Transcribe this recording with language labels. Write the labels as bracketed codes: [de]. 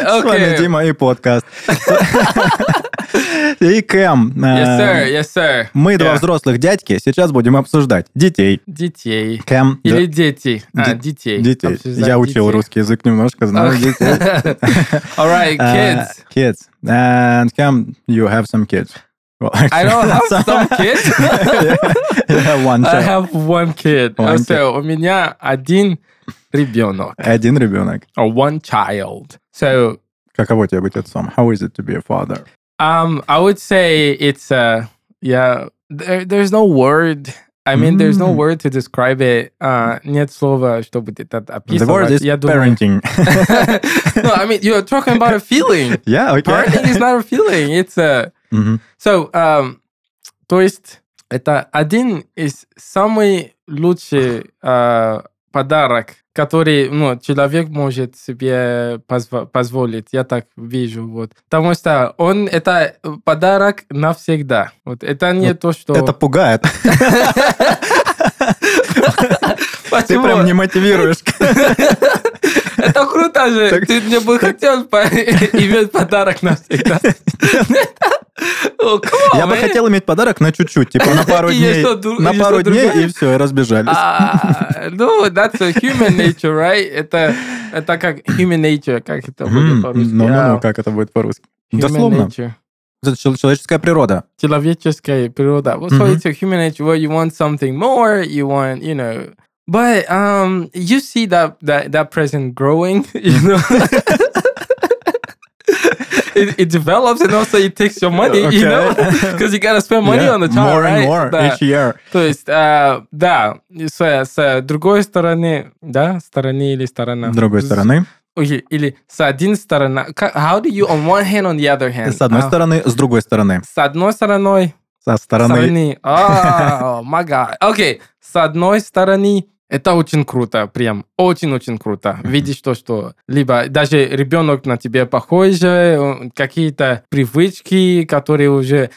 [ru] С вами Дима и подкаст. И Кэм. [en] Yes, sir. [ru] Мы два взрослых дядьки, сейчас будем обсуждать детей. Детей. Кэм. Или детей. Детей. Детей. Я учил русский язык немножко, знаю детей. [en] All right, kids. Kids. And Кэм, you have some kids. Well, actually, I don't have some kids. I have one kid. [ru] У меня один ребенок. Один ребенок. [en] Or one child. So, [ru] каково тебе быть отцом? [en] How is it to be a father? I would say it's a there's no word. I mean, there's no word to describe it. [ru] Нет слова, чтобы это описывать. [en] The word is parenting. No, I mean, you're talking about a feeling. Yeah, okay. Parenting is not a feeling. It's a... Mm-hmm. [ru] So, то есть, это один из самых лучших подарок, который человек может себе позволить. Я так вижу. Вот. Потому что он – это подарок навсегда. Вот. Это не вот то, что... Это пугает. Ты прям не мотивируешь. Это круто же. Ты мне бы хотел иметь подарок навсегда. Я бы хотел иметь подарок на чуть-чуть, типа на пару дней. На пару дней и все, и разбежались. [en] Ну, that's a human nature, right? [ru] Это как [en] human nature, [ru] как это будет по-русски. Ну, как это будет по-русски. Дословно. Это человеческая природа. Человеческая природа. [en] So it's a human nature where you want something more, you want, you know. But you see that present growing, you know. It develops and also it takes your money, okay. You know, because you gotta spend money on the child, more right? More and more each year. [ru] То есть, да, с другой стороны, да, стороны или сторона? Другой стороны. Или с одной стороны. [en] How do you, on one hand, on the other hand? [ru] С одной стороны, с другой стороны. С одной стороной. Со стороны. [en] My God. [ru] Okay, с одной стороны. Это очень круто, прям очень-очень круто. Видишь то, что либо даже ребенок на тебя похож, какие-то привычки, которые уже...